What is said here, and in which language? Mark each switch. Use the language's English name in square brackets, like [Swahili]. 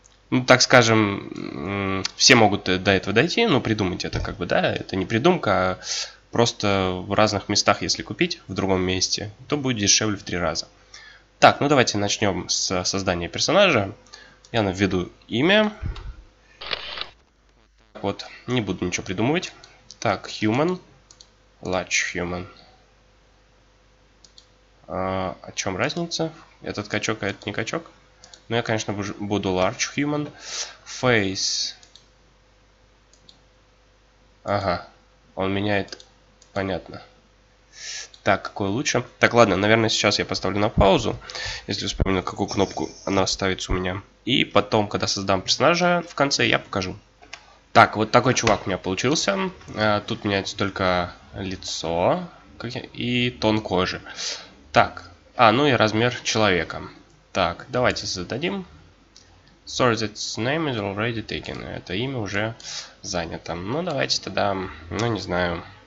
[Russian] Ну, так скажем, все могут до этого дойти, но придумать это как бы, да, это не придумка, а просто в разных местах, если купить в другом месте, то будет дешевле в 3 раза. Так, ну давайте начнем с создания персонажа. Я введу имя. Вот, не буду ничего придумывать. [English] Так, human, large human. [Russian] О чем разница? Этот качок, а этот не качок. Но я, конечно, буду [English] large human. Face. [Russian] Ага. Он меняет. Понятно. Так, какой лучше? Так, ладно, наверное, сейчас я поставлю на паузу. Если вспомню, какую кнопку она ставится у меня. И потом, когда создам персонажа, в конце я покажу. Так, вот такой чувак у меня получился. Тут меняется только лицо и тон кожи. Так. А, ну и размер человека. Так, давайте зададим. [English] Sorry, that name is already taken. [Russian] Это имя уже занято. Ну, давайте тогда, ну, не знаю.